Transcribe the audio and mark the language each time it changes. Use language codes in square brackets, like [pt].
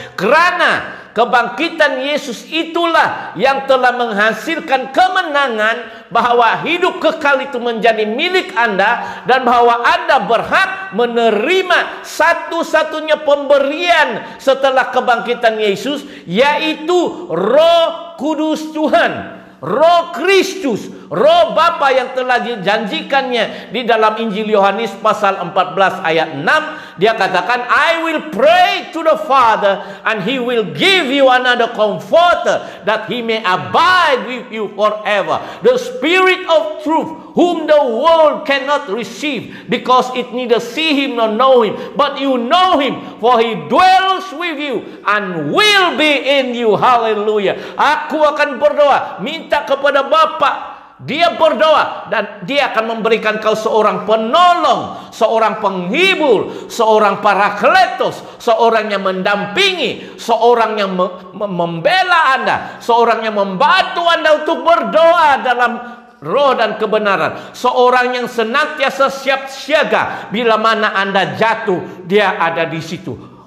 [id] Karena kebangkitan Yesus itulah yang telah menghasilkan kemenangan, bahwa hidup kekal itu menjadi milik Anda, dan bahwa Anda berhak menerima satu-satunya pemberian setelah kebangkitan Yesus, yaitu Roh Kudus Tuhan, Roh Kristus, Roh Bapa yang telah dijanjikannya di dalam Injil Yohanes pasal 14 ayat 6. Dia katakan, [en] I will pray to the Father and he will give you another comforter that he may abide with you forever. The Spirit of truth whom the world cannot receive because it neither see him nor know him. But you know him, for he dwells with you and will be in you. [id] Hallelujah. Aku akan berdoa, minta kepada Bapa. Dia berdoa dan dia akan memberikan kau seorang penolong, seorang penghibur, seorang parakletos, seorang yang mendampingi, seorang yang membela Anda, seorang yang membantu Anda untuk berdoa dalam Roh dan kebenaran, seorang yang senantiasa siap siaga bila mana Anda jatuh, dia ada di situ.